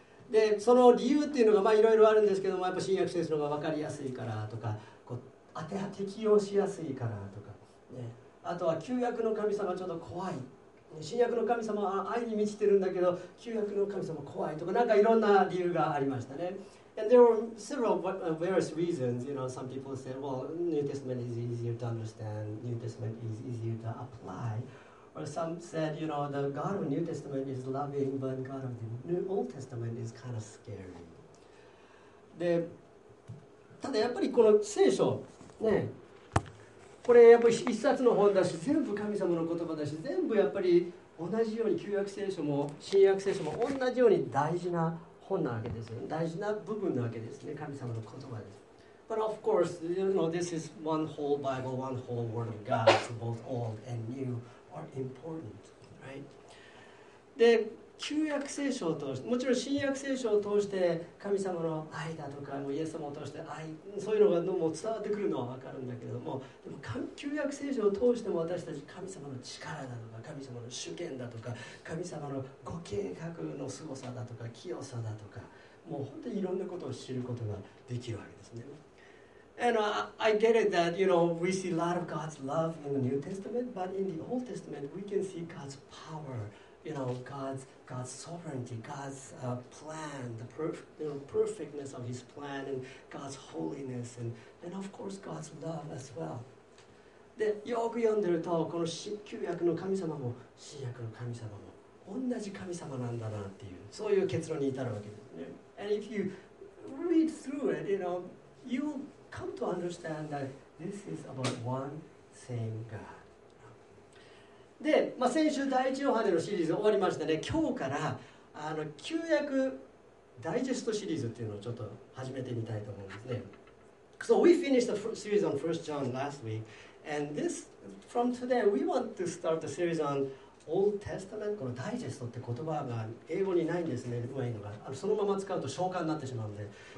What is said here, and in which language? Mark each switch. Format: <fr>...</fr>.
<ja>で、その理由っていうのがまあいろいろあるんですけども、やっぱ新約聖書の方が分かりやすいからとか、こう当て適用しやすいからとかね。あとは旧約の神様ちょっと怖い、新約の神様は愛に満ちてるんだけど旧約の神様怖いとか、なんかいろんな理由がありましたね。</ja> <en>And there were several various reasons. You know, some people said, well, New Testament is easier to understand, New Testament is easier to apply. Or some said, you know, the God of New Testament is loving, but God of the Old Testament is kind of scary.</en> <ja>で、ただやっぱりこの聖書ね、これやっぱり一冊の本だし、全部神様の言葉だし、全部やっぱり同じように旧約聖書も新約聖書も同じように大事な本なわけですよ。大事な部分なわけですね、神様の言葉です。</ja> <en>But of course, you know, this is one whole Bible, one whole word of God, so both old and new are important, right?</en> <ja>で、旧約聖書を通して、もちろん新約聖書を通して神様の愛だとか、もうイエス様を通して愛、そういうのがもう伝わってくるのは分かるんだけども、でも旧約聖書を通しても私たち神様の力だとか、神様の主権だとか、神様のご計画の凄さだとか、清さだとか、もう本当にいろんなことを知ることができるわけですね。</ja> <en>And I get it that, you know, we see a lot of God's love in the New Testament, but in the Old Testament, we can see God's power. You know, God's sovereignty, God's plan, the perfectness of His plan, and God's holiness, and of course God's love as well.</en> <ja>で、よく読んでると、この新旧約の神様も新約の神様も同じ神様なんだなっていう、そういう結論に至るわけですね。</ja> <en>And if you read through it, you know, you'll come to understand that this is about one same God.</en> <ja>で、まあ、先週第一ヨハネのシリーズ終わりましたね。今日からあの旧約ダイジェストシリーズっていうのをちょっと始めてみたいと思うんですね。</ja> <en>So we finished the series on 1 John last week. And this, from today, we want to start the series on Old Testament.</en> <ja>このダイジェストって言葉が英語にないんですね。上手いのが。あのそのまま使うと召喚になってしまうんで。</ja>